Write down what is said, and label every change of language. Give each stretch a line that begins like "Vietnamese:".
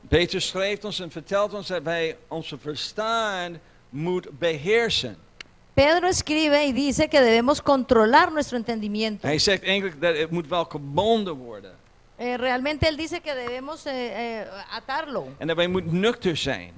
Dutch: Petrus schrijft ons en vertelt ons dat wij onze verstand moet beheersen.
Spanish: Pedro escribe y dice que debemos controlar nuestro entendimiento.
Dutch: Hij zegt eigenlijk dat het moet wel gebonden worden.
Spanish: Realmente él dice que debemos atarlo.
Dutch: En dat wij moeten nuchter zijn.